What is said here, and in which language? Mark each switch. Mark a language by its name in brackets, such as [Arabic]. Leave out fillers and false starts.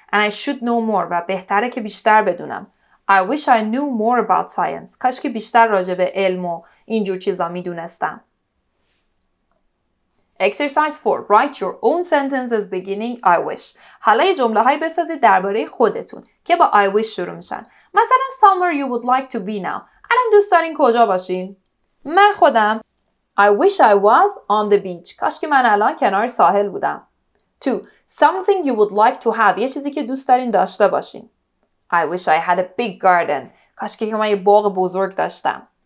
[English] And I should know more. [Persian] و بهتره که بیشتر بدونم. [English] I wish I knew more about science. [Persian] کاش که بیشتر راجع به علم و اینجور چیزا میدونستم. [English] Exercise 4. Write your own sentences beginning I wish. [Persian] حالا یه جمله های بسازید درباره خودتون که با I wish شروع میشن. مثلا [English] somewhere you would like to be now. [Persian] الان دوست دارین کجا باشین؟ من خودم. [English] I wish I was on the beach. [Persian] کاش که من الان کنار ساحل بودم. 2. [English] Something you would like to have. [Persian] یه چیزی که دوست دارین داشته باشین. [English] I wish I had a big garden. [Persian] کاش که من یه باغ بزرگ داشتم.